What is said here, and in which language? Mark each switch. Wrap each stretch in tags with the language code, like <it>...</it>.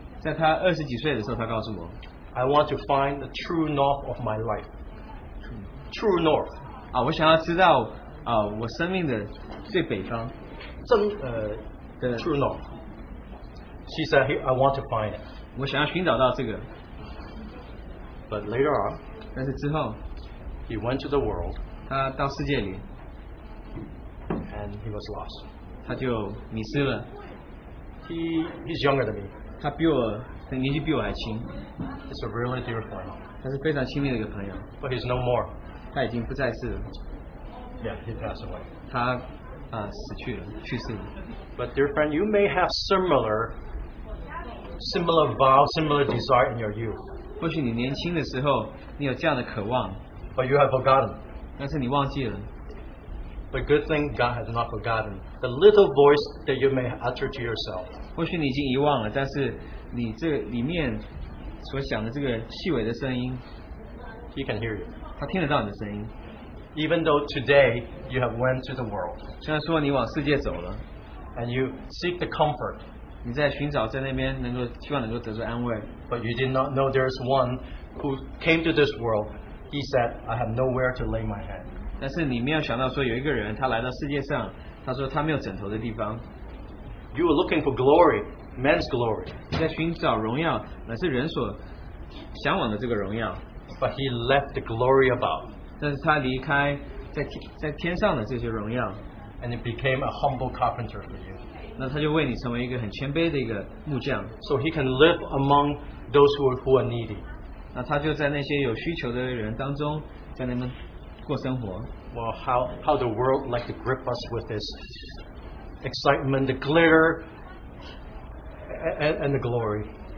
<zh>在他20几岁的时候, 他告诉我,</zh> <en>I want to find the true north of my life. True north.</en> <zh>啊, 我想要知道, 啊, 我生命的最北方, 正, 的,</zh> <en>true north. She said, I want to find it.</en> <zh>我想要寻找到这个,</zh> <en>but later on,</en> <zh>但是之后,</zh> <en>he went to the world.</en> <zh>他到世界里,</zh> <en>and he was lost.</en> <zh>他就迷失了,</zh> <en>he's younger than me.</en> <zh>他比我年纪比我还轻,</zh> <en>it's a really dear friend.</en> <zh>他是非常亲密的一个朋友,</zh> <en>but he's no more.</en> <zh>他已经不再是了,</zh> <en>yeah, he passed away.</en> <zh>他, 死去了,</zh> <en>but dear friend, you may have similar vow, similar desire in your youth.</en> <zh>或许你年轻的时候, 你有这样的渴望,</zh> <en>but you have forgotten.</en> <zh>但是你忘记了,</zh> <en>the good thing God has not forgotten. The little voice that you may utter to yourself.</en> <zh>或许你已经遗忘了, 但是你这里面所想的这个细微的声音,</zh> <en>He can hear you.</en> <zh>他听得到你的声音,</zh> <en>even though today you have went to the world.</en> <zh>现在说你往世界走了,</zh> <en>and you seek the comfort.</en> <zh>你在寻找在那边能够得到安慰,</zh> <en>but you did not know there is one who came to this world. He said, I have nowhere to lay my head.</en> <zh>但是你没有想到说有一个人他来到世界上, 他说他没有枕头的地方,</zh> <en>you were looking for glory, men's glory.</en> <zh>你在寻找荣耀, 乃是人所向往的这个荣耀,</zh> <en>but he left the glory about.</en> <zh>但是他离开在天上的这些荣�ao,</zh> <en>and it became a humble carpenter for you.</en> <zh>那他就为你成为一个很谦卑的一个木匠,</zh> <en>so he can live among those who are needy.</en> <zh>那他就在那些有需求的人当中, 在那边,</zh> <en>well, how the world like to grip us with this excitement, the glitter, and the glory.</en>